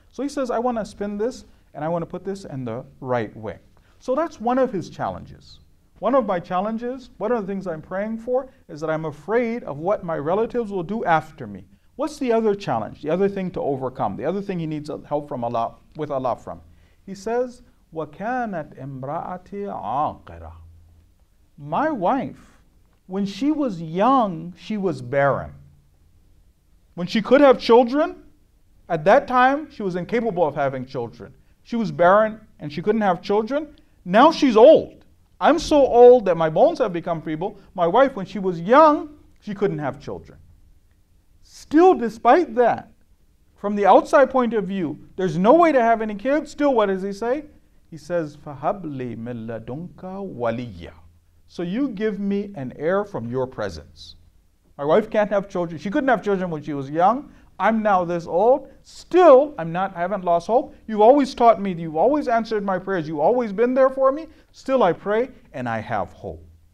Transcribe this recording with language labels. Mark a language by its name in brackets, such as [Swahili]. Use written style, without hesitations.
[English] So he says, I want to spend this and I want to put this in the right way. So that's one of his challenges. One of my challenges, one of the things I'm praying for, is that I'm afraid of what my relatives will do after me. What's the other challenge, the other thing to overcome, the other thing he needs help from Allah, with Allah from? He says, [Arabic] وَكَانَتْ إِمْرَأَتِي عَاقِرًا. [English] My wife, when she was young, she was barren. When she could have children, at that time, she was incapable of having children. She was barren and she couldn't have children. Now she's old. I'm so old that my bones have become feeble. My wife, when she was young, she couldn't have children. Still, despite that, from the outside point of view, there's no way to have any kids. Still, what does he say? He says, [Arabic] فَهَبْلِ مِنْ لَدُنْكَ وَلِيَّ. [English] So you give me an heir from your presence. My wife can't have children. She couldn't have children when she was young. I'm now this old. Still, I haven't lost hope. You've always taught me. You've always answered my prayers. You've always been there for me. Still, I pray and I have hope.